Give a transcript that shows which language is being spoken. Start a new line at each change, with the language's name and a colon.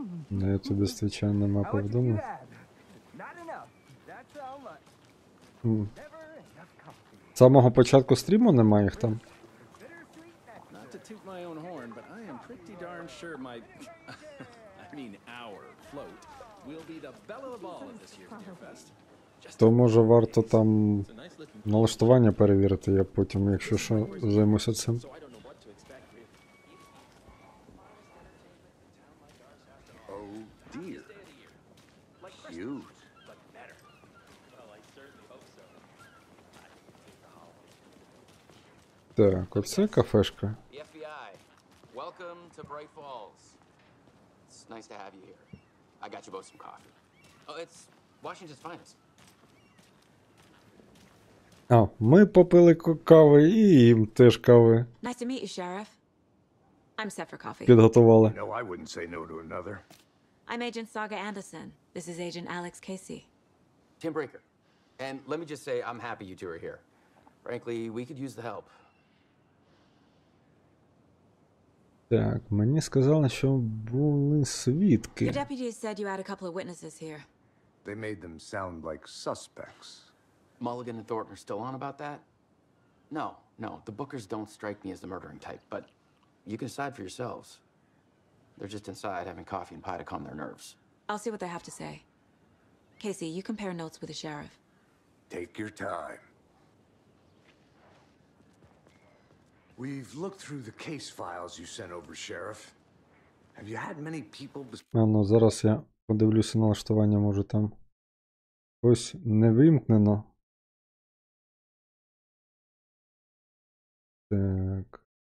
Ukrainian: Ну, я тобі, звичайно, не повідомив.
English: Not enough. That's how much.
Ukrainian: З самого початку стріму немає їх там.
English: Not to toot my own horn, but I am pretty darn sure my I mean our float will be the belle of the ball at this year's Deer Fest.
Ukrainian: То може варто там налаштування перевірити, я потім, якщо що, займуся цим. Так, оце кафешка.
English: FBI. Welcome to Bright Falls. It's nice to have you here. I got you both some coffee. Oh, it's Washington's finest.
Ukrainian: А, ми попили кави і їм теж кави.
English: Nice to meet you, Sheriff. I'm set for coffee.
Ukrainian: Підготували.
English: No, I wouldn't say no to another. I'm Agent Saga Anderson. This is Agent Alex Casey. Tim Breaker. And let me just say I'm happy you two are here. Frankly, we could use the help.
Ukrainian: Так, мені сказали, що були свідки.
English: The deputies said you had a couple of witnesses here. They made them sound like suspects. Mulligan and Thornton are still on about that? No, no, the Bookers don't strike me as the murdering type, but you can decide for yourselves. They're just inside having coffee and pie to calm their nerves. I'll see what they have to say. Casey, you compare notes with the sheriff. Take your time. We've looked through the case files you sent over, Sheriff. Have you had many people...
Ukrainian: А, ну зараз я подивлюся налаштування, може там... Ось не вимкнено. Так.